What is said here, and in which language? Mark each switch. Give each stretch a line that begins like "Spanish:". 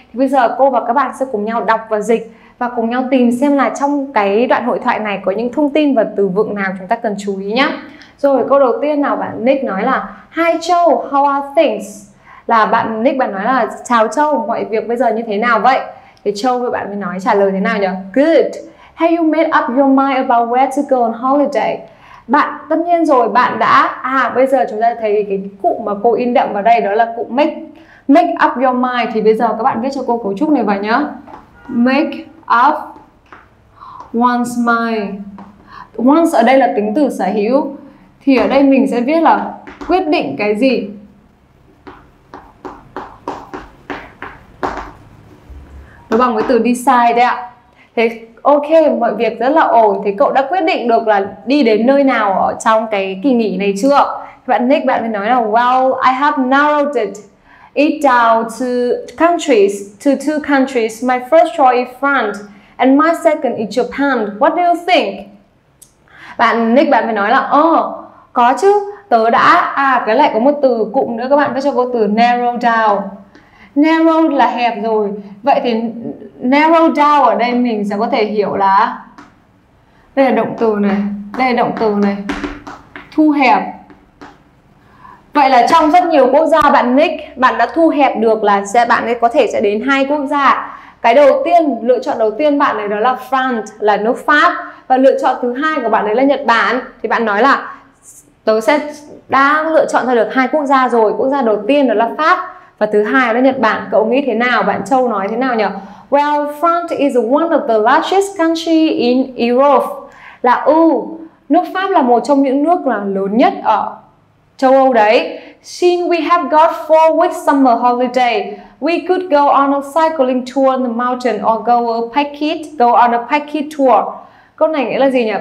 Vietnamese: Thì bây giờ cô và các bạn sẽ cùng nhau đọc và dịch và cùng nhau tìm xem là trong cái đoạn hội thoại này có những thông tin và từ vựng nào chúng ta cần chú ý nhé. Rồi câu đầu tiên nào, bạn Nick nói là
English: Hi Châu, how are things?
Vietnamese: Là bạn Nick bạn nói là chào Châu, mọi việc bây giờ như thế nào vậy? Thì Châu với bạn mới nói trả lời thế nào nhỉ?
English: Good. Have you made up your mind about where to go on holiday?
Vietnamese: Bạn, tất nhiên rồi, bạn đã... À, bây giờ chúng ta thấy cái cụm mà cô in đậm vào đây, đó là cụm make up your mind. Thì bây giờ các bạn viết cho cô cấu trúc này vào nhá.
English: Make up one's mind.
Vietnamese: Once ở đây là tính từ sở hữu. Thì ở đây mình sẽ viết là quyết định cái gì. Nó bằng với từ decide đấy ạ. Thế... Ok, mọi việc rất là ổn. Thế cậu đã quyết định được là đi đến nơi nào ở trong cái kỳ nghỉ này chưa? Bạn Nick bạn mới nói là
English: Well, I have narrowed it down to two countries. My first choice is France and my second is Japan. What do you think?
Vietnamese: Bạn Nick bạn mới nói là ồ, có chứ, tớ đã. À, cái lại có một từ cụm nữa các bạn, phải cho cô từ narrow down. Narrow là hẹp rồi. Vậy thì narrow down ở đây mình sẽ có thể hiểu là, đây là động từ này, đây là động từ này, thu hẹp. Vậy là trong rất nhiều quốc gia bạn Nick, bạn đã thu hẹp được là sẽ, bạn ấy có thể sẽ đến hai quốc gia. Cái đầu tiên, lựa chọn đầu tiên bạn ấy đó là France, là nước Pháp. Và lựa chọn thứ hai của bạn ấy là Nhật Bản. Thì bạn nói là tớ sẽ đã lựa chọn ra được hai quốc gia rồi. Quốc gia đầu tiên đó là Pháp và thứ hai là Nhật Bản. Cậu nghĩ thế nào? Bạn Châu nói thế nào nhỉ?
English: Well, France is one of the largest country in Europe.
Vietnamese: Là nước Pháp là một trong những nước là lớn nhất ở châu Âu đấy.
English: Since we have got 4 weeks summer holiday, we could go on a cycling tour in the mountain or go on a packet tour.
Vietnamese: Câu này nghĩa là gì nhỉ?